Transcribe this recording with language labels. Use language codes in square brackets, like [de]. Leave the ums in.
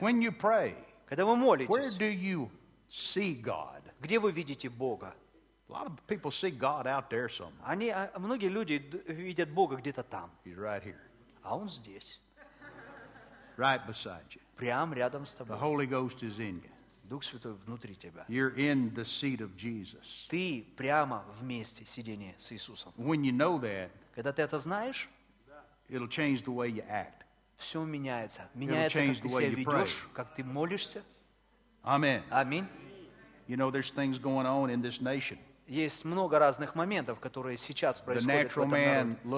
[en] When you pray, [ru] когда вы молитесь, [en] where do you see God? [ru] где вы видите Бога? [en] A lot of people see God out there somewhere. [ru] Они, многие люди видят Бога где-то там. [en] He's right here. [ru] А Он здесь. [en] Right beside you. [ru] Прямо рядом с тобой. [en] The Holy Ghost is in you. [ru] Дух Святой внутри тебя. [en] You're in the seat of Jesus. [ru] Ты прямо вместе сидение с Иисусом. [en] When you know that, [ru] Когда ты это знаешь, [en] it'll change the way you act [ru] все меняется. Меняется, [en] change, [ru] как ты, ты себя ведешь, [en] pray. [ru] как ты молишься. Аминь. Аминь. [en] You know, there's things going on in this nation. [ru] Есть много разных моментов, которые сейчас происходят [en] the [ru] в этом народе.